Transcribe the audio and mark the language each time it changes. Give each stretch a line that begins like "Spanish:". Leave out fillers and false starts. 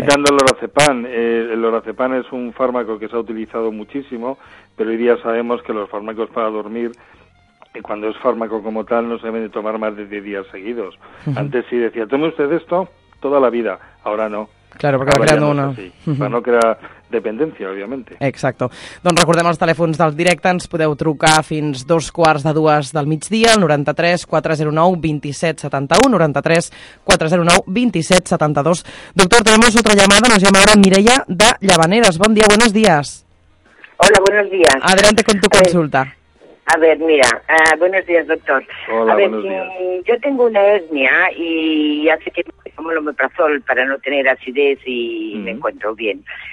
Spanish: Y quitando el lorazepam. El lorazepam es un fármaco que se ha utilizado muchísimo, pero hoy día sabemos que los fármacos para dormir, cuando es fármaco como tal, no se deben de tomar más de 10 días seguidos. Uh-huh. Antes sí decía, tome usted esto toda la vida, ahora no. Claro, porque va creando una... Para no crear
Catalan: dependència, òbviament. Exacte. Doncs recordem els telèfons del directe, ens podeu trucar fins dos quarts de dues del migdia, el 93-409-2771, 93-409-2772.
Spanish: Doctor, tenemos otra llamada, nos llama ahora Mireia de Llavaneres.
Catalan: Bon dia,
Spanish: buenos días. Hola, buenos días. Adelante con tu consulta. A ver, mira, buenos días, doctor. Hola, a ver, buenos días. Yo tengo una hernia y hace tiempo que tomo el omeprazol para no tener acidez y me encuentro bien.